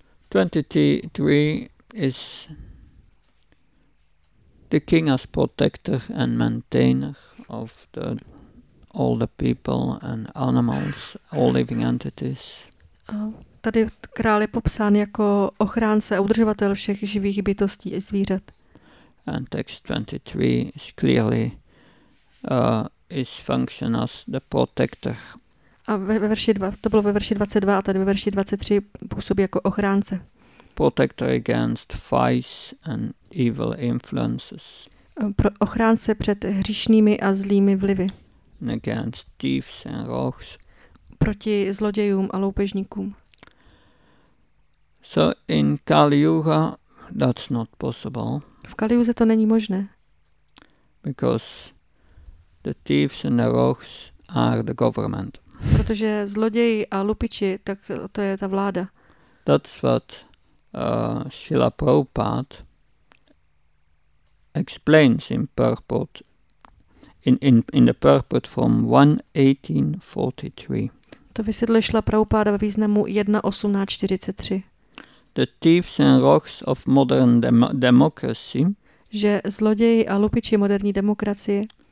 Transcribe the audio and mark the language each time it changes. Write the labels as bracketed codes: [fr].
[en] 23 is the king as protector and maintainer of the all the people and animals, all living entities. [cs] Tady král je popsán jako ochránce a udržovatel všech živých bytostí i zvířat. [en] And text 23 is clearly is function as the protector. [cs] A ve verši dva, to bylo ve verši 22 a tady ve verši 23 působí jako ochránce. [en] Protector against vice and evil influences. [cs] Ochránce před hříšnými a zlými vlivy. [en] And against thieves and rogues. [cs] Proti zlodějům a loupežníkům. [en] So in Kali Yuga that's not possible. [cs] V Kali Yuze to není možné. [en] Because the thieves and the rogues are the government. [cs] Protože zloději a lupiči, tak to je ta vláda. [en] That's what Srila Prabhupada explains in purport in the purport from 1843. [cs] To vysvětluje Srila Prabhupada ve významu 1843. [en] The thieves and rogues of modern democracy. [cs] Že zloději a lupiči moderní demokracie.